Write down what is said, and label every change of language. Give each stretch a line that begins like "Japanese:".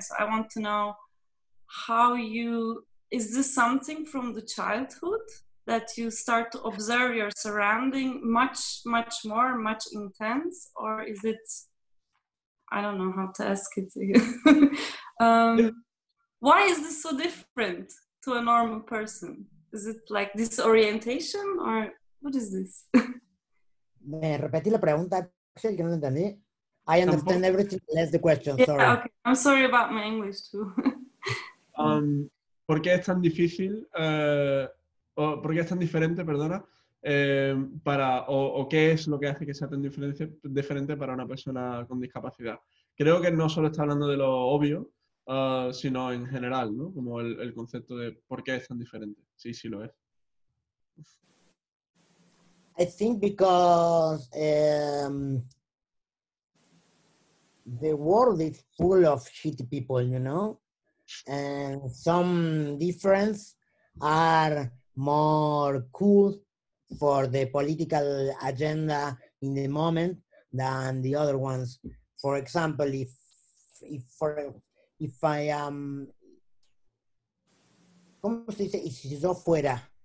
English: So I want to know how you. Is this something from the childhood that you start to observe your surrounding much, much more, much intense? Or is it, I don't know how to ask it to you. Why is this so different to a normal person? Is it like disorientation or what is this?
Spanish: Me repetí la pregunta, Axel, que no entendí.
English: I understand everything, less the question, yeah, sorry. Okay. I'm sorry about my English too.
Spanish: ¿Por qué es tan difícil, por qué es tan diferente, perdona, qué es lo que hace que sea tan diferente para una persona con discapacidad? Creo que no solo está hablando de lo obvio, sino en general, ¿no? Como el concepto de por qué es tan diferente. Sí, sí lo es.
English: I think because the world is full of shitty people, you know? And some difference are more cool for the political agenda in the moment than the other ones. For example, if I am,
Spanish: ¿cómo se dice? Si yo fuera.